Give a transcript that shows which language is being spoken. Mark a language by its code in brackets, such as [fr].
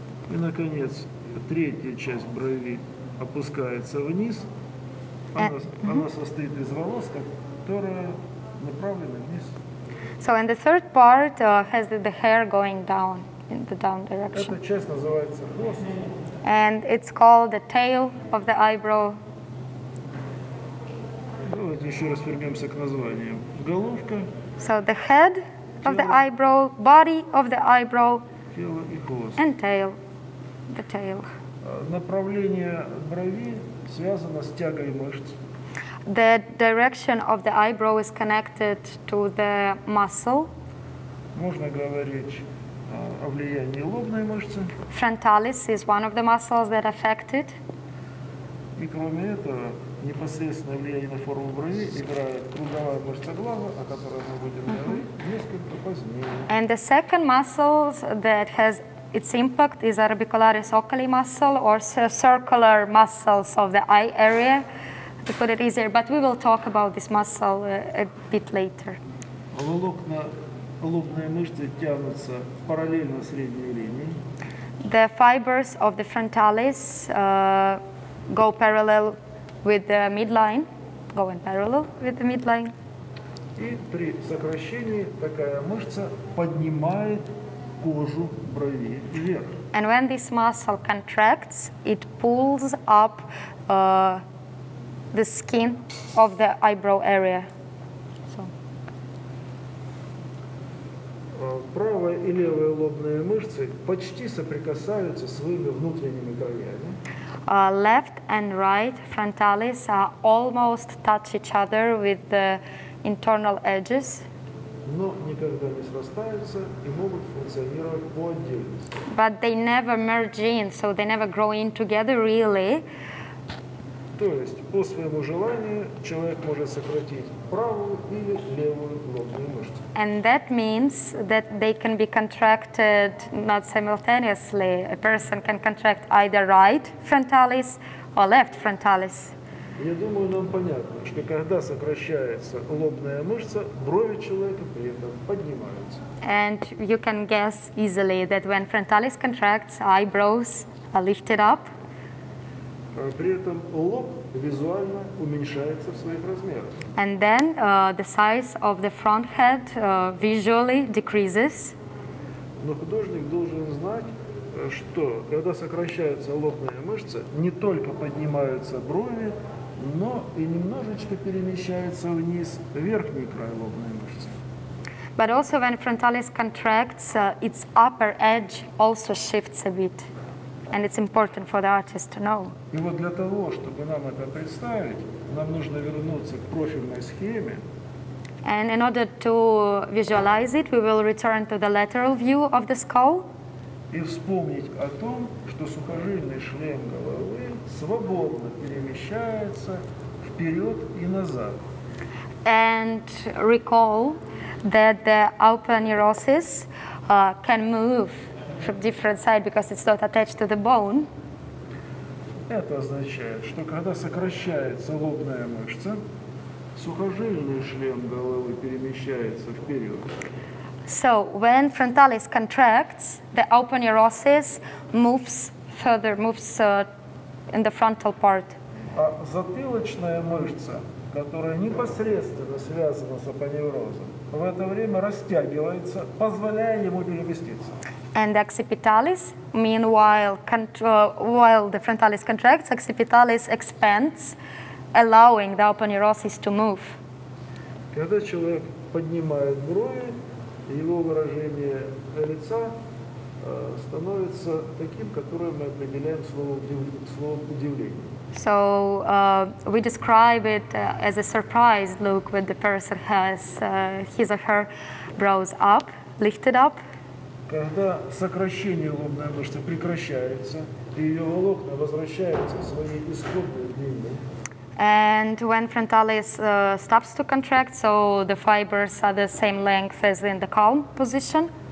[ru] И, наконец, третья часть брови опускается вниз. Она состоит из волос, которая направлена вниз. [en] So, and the third part has the hair going down, in the down direction. [ru] Эта часть называется хвост. [en] And it's called the tail of the eyebrow. [ru] Давайте еще раз вернемся к названиям. Головка. [en] So, the head of the eyebrow, body of the eyebrow, [ru] тело и хвост. [en] And tail. The tail. [ru] Направление брови связано с тягой мышц. [en] The direction of the eyebrow is connected to the muscle. [ru] Можно говорить о влиянии лобной мышцы. [en] Frontalis is one of the muscles that affect it. [ru] И кроме этого, непосредственное влияние на форму брови играет круговая мышца глаза, о которой мы будем говорить несколько позднее. [en] And the second muscle that has its impact is orbicularis oculi muscle or circular muscles of the eye area, to put it easier, but we will talk about this muscle a bit later. [ru] Волокна лобной мышцы тянутся параллельно средней линии. [en] The fibers of the frontalis go parallel with the midline, going parallel with the midline. [ru] И при сокращении такая мышца поднимает кожу брови вверх. [en] And when this muscle contracts, it pulls up the skin of the eyebrow area. So. [ru] Правая и левая лобные мышцы почти соприкасаются своими внутренними краями. [en] Left and right frontalis almost touch each other with the internal edges. [ru] Но никогда не срастаются и могут функционировать по отдельности. [en] But they never merge in, so they never grow in together really. [ru] То есть по своему желанию человек может сократить правую или левую лобную мышцу. [en] And that means that they can be contracted not simultaneously. A person can contract either right frontalis or left frontalis. [ru] Я думаю, нам понятно, что когда сокращается лобная мышца, брови человека при этом поднимаются. [en] And you can guess easily that when frontalis contracts, eyebrows are lifted up. [ru] При этом лоб визуально уменьшается в своих размерах. [en] And then the size of the front head visually decreases. [ru] Но художник должен знать, что когда сокращается лобная мышца, не только поднимаются брови, но и немножечко перемещается вниз верхний край лобной мышцы. [en] But also when frontalis contracts, its upper edge also shifts a bit. And it's important for the artist to know. [ru] И вот для того, чтобы нам это представить, нам нужно вернуться к профильной схеме. [en] And in order to visualize it, we will return to the lateral view of the skull. [ru] И вспомнить о том, что сухожильный шлем головы свободно перемещается вперед и назад. [en] And recall that the upper neurosis can move from different side because it's not attached to the bone. [ru] Это означает, что когда сокращается лобная мышца, сухожильный шлем головы перемещается вперед. [en] So when frontalis contracts, the open neurosis moves further, moves in the frontal part. [ru] А затылочная мышца, которая непосредственно связана с апоневрозом, в это время растягивается, позволяя ему переместиться. [en] And the occipitalis, meanwhile, while the frontalis contracts, occipitalis expands, allowing the open neurosis to move. [ru] Когда человек поднимает брови, его выражение лица становится таким, которое мы определяем словом удивление. [en] So we describe it as a surprised look when the person has his or her brows up, lifted up. [ru] Когда сокращение лобной мышцы прекращается, и ее волокна возвращаются в свои исходные длины. [en] And when frontalis stops to contract, so the fibers are the same length as in the calm position.